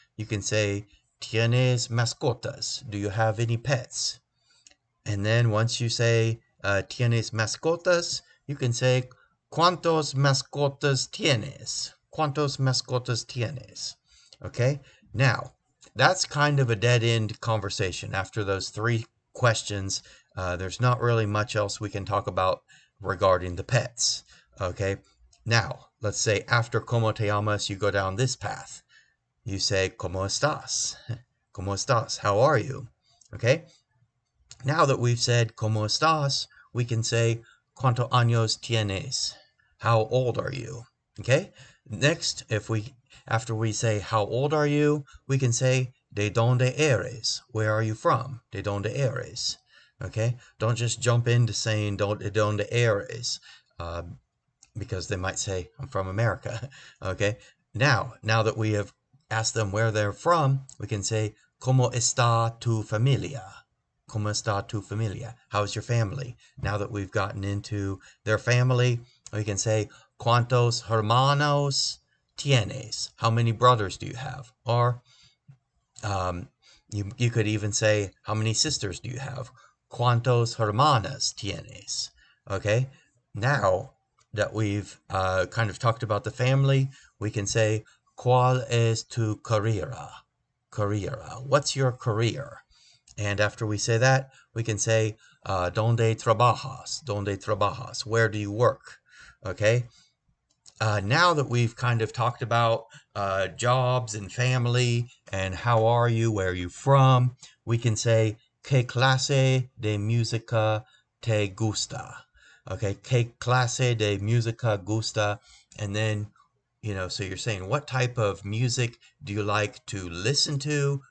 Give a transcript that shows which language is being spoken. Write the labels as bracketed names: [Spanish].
[English] You can say [Spanish] ¿Tienes mascotas? [English] Do you have any pets? And then once you say [Spanish] ¿Tienes mascotas? [English] You can say [Spanish] ¿Cuántos mascotas tienes? ¿Cuántos mascotas tienes? [English] Okay. Now that's kind of a dead end conversation. After those three questions, there's not really much else we can talk about regarding the pets. Okay. Now, let's say after [Spanish] ¿Cómo te llamas? [English] You go down this path. You say [Spanish] ¿Cómo estás? ¿Cómo estás? [English] How are you? Okay. Now that we've said [Spanish] ¿Cómo estás? [English] We can say [Spanish] ¿Cuántos años tienes? [English] How old are you? Okay. Next, after we say how old are you, we can say [Spanish] ¿De dónde eres? [English] Where are you from? [Spanish] ¿De dónde eres? [English] Okay, don't just jump into saying [Spanish] donde eres, [English] because they might say, I'm from America. Okay, now that we have asked them where they're from, we can say, [Spanish] ¿Cómo está tu familia? ¿Cómo está tu familia? [English] How's your family? Now that we've gotten into their family, we can say, [Spanish] ¿Cuántos hermanos tienes? [English] How many brothers do you have? Or you could even say, how many sisters do you have? [Spanish] ¿Cuántos hermanas tienes? [English] Okay, now that we've kind of talked about the family, we can say, [Spanish] ¿Cuál es tu carrera? Carrera. [English] What's your career? And after we say that, we can say, [Spanish] ¿Dónde trabajas? ¿Dónde trabajas? [English] Where do you work? Okay, now that we've kind of talked about jobs and family and how are you, where are you from, we can say, [Spanish] ¿Qué clase de música te gusta? Okay, ¿Qué clase de música gusta? [English] And then, so you're saying, what type of music do you like to listen to?